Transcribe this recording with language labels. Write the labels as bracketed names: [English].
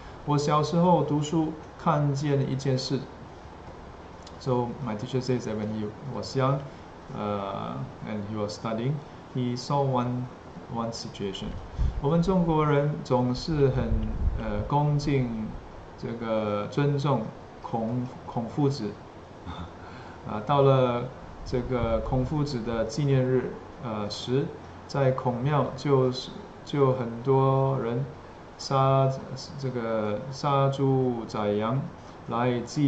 [Chinese] 我小时候读书看见一件事。 [English] So my teacher says that when he was young, and he was studying, he saw one situation. [Chinese] 我们中国人总是很恭敬这个尊重孔夫子，到了这个孔夫子的纪念日时，在孔庙就很多人杀这个杀猪宰羊来